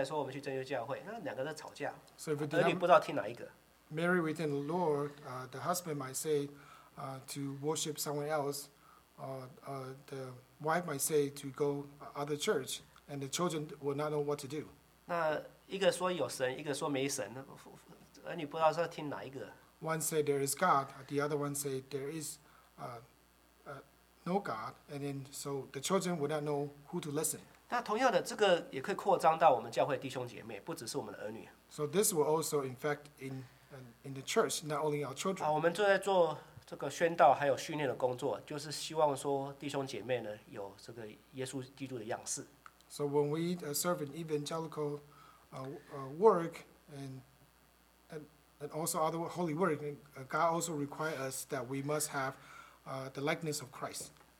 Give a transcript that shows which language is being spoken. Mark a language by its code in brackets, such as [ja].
[zh] 如果没有主内结婚的话，这个先生说我们去拜拜，还是我们去其他教会，太太说我们去真耶稣教会，那两个在吵架。 [en] So if we do not marry within the Lord, the husband might say to worship someone else, the wife might say to go other church, and the children will not know what to do. [zh] 一个说有神，一个说没神，儿女不知道是要听哪一个。 [en] One said there is God, the other one said there is no God, and then so the children would not know who to listen. [zh] 那同样的，这个也可以扩张到我们教会弟兄姐妹，不只是我们的儿女。 [en] So this will also infect in the church, not only our children. [zh] 我们正在做这个宣道还有训练的工作，就是希望说弟兄姐妹呢有这个耶稣基督的样式。 [en] So when we serve in evangelical work and also other holy work, God also requires us that we must have the likeness of Christ.